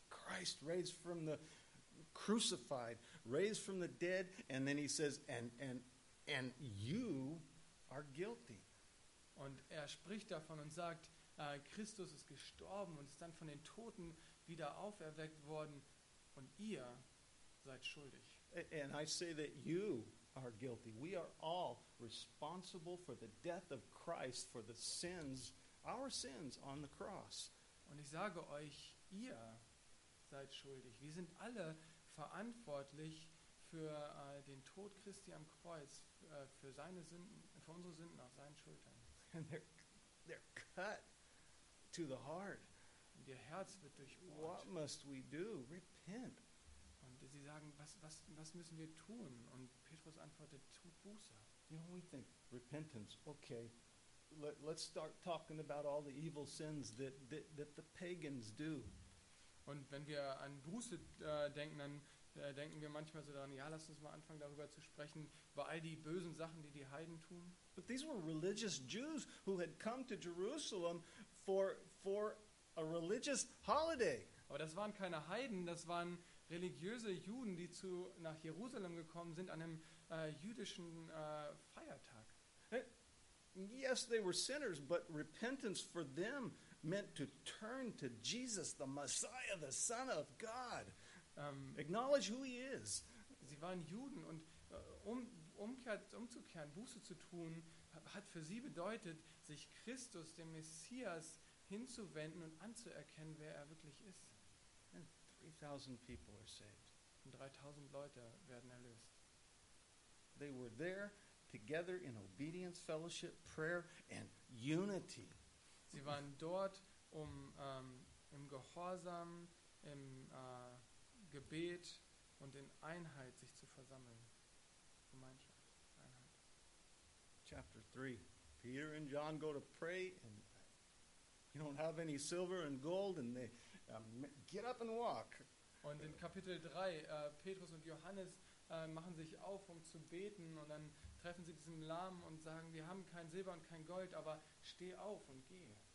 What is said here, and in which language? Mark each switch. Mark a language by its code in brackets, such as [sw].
[en] Christ raised from the crucified, raised from the dead, and then he says, and you are guilty. [de] Und er spricht davon und sagt, Christus ist gestorben und ist dann von den Toten wieder auferweckt worden und ihr seid schuldig. [en] And I say that you are guilty. We are all responsible for the death of Christ, for the sins, our sins on the cross. [de] Und ich sage euch, ihr seid schuldig. Wir sind alle verantwortlich für den Tod Christi am Kreuz, für seine Sünden, für unsere Sünden auf seinen Schultern. [en] And they're cut to the heart. [de] Und ihr Herz wird durchbohrt. [en] What must we do? Repent. [de] Und sie sagen, was müssen wir tun? Und Petrus antwortet, tut Buße. [en] You know, we think repentance, okay. Let's start talking about all the evil sins that the pagans do. [de] Und wenn wir an Buße denken, dann denken wir manchmal so daran, ja, lass uns mal anfangen, darüber zu sprechen, über all die bösen Sachen, die Heiden tun. [en] But these were religious Jews who had come to Jerusalem for a religious holiday. [de] Aber das waren keine Heiden, das waren religiöse Juden, die nach Jerusalem gekommen sind an einem jüdischen Feiertag. [en] Yes, they were sinners, but repentance for them meant to turn to Jesus, the Messiah, the Son of God. Acknowledge who he is. [de] Sie waren Juden und umzukehren, Buße zu tun, hat für sie bedeutet, sich Christus, dem Messias, hinzuwenden und anzuerkennen, wer er wirklich ist. [en] And 3,000 people are saved. [de] Und 3,000 Leute werden erlöst. [en] They were there together in obedience, fellowship, prayer and unity. [de] Sie waren dort, um im Gehorsam, im Gebet und in Einheit sich zu versammeln. Gemeinschaft, Einheit. [en] Chapter 3. Peter and John go to pray and you don't have any silver and gold and they get up and walk. [de] Und in Kapitel 3, Petrus und Johannes machen sich auf, um zu beten und dann treffen sie diesen Lahmen und sagen, wir haben kein Silber und kein Gold, aber steh auf und geh.